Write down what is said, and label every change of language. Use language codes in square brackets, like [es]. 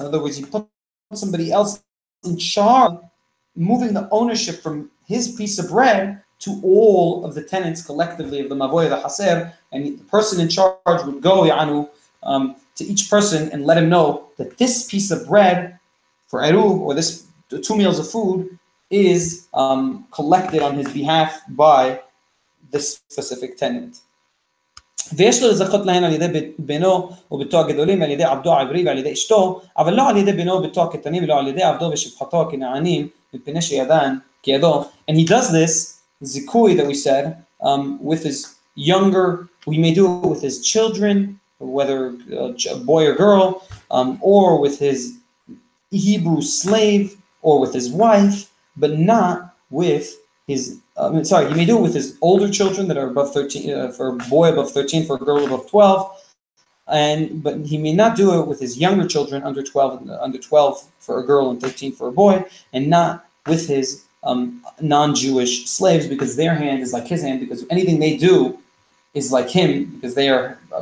[en] In other words, you put somebody else in charge, moving the ownership from his piece of bread to all of the tenants collectively of the Mavoy of the Haser, and the person in charge would go, Ya'anu, to each person and let him know that this piece of bread for Eruv, or this two meals of food, is collected on his behalf by this specific tenant. [he] ויש לו לזכות להן על ידי בנו ובתו הגדולים, על ידי עבדו העברי ועל ידי אשתו, אבל לא על ידי בנו ובתו הקטנים, ולא על ידי עבדו ושפחתו הכנענים, מפני שידן כידו. [en] And he does this, Zikui that we said, with his younger, we may do it with his children, whether a boy or girl, or with his Hebrew slave, or with his wife, but not with his, he may do it with his older children that are above 13, for a boy above 13, for a girl above 12, but he may not do it with his younger children under 12 for a girl and 13 for a boy, and not with his non-Jewish slaves, because their hand is like his hand, because anything they do is like him, because they are